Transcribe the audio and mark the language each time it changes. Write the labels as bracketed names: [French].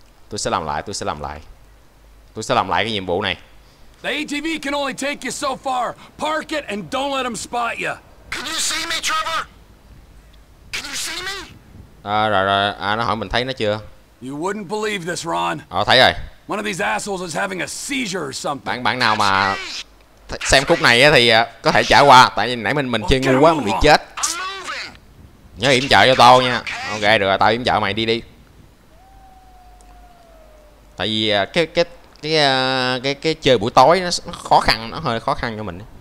[Vietnamese] Tôi sẽ làm lại. Tôi sẽ làm lại cái nhiệm vụ này. [English] The ATV can only take you so far. Park it and don't let them spot you. Can you see me, Trevor? Can you see me? Rồi. [Vietnamese] À, nó hỏi mình thấy nó chưa? [English] You wouldn't believe this, Ron. [Vietnamese] Ờ, thấy rồi. [English] One of these assholes is having a seizure or something. [Vietnamese] Bạn nào mà xem khúc này thì có thể trả qua. Tại vì nãy mình chơi ngu quá, mình bị chết. Nhớ yểm trợ cho tao nha. Ok, được rồi, tao yểm trợ mày, đi đi. Tại vì cái chơi buổi tối nó khó khăn, nó hơi khó khăn cho mình.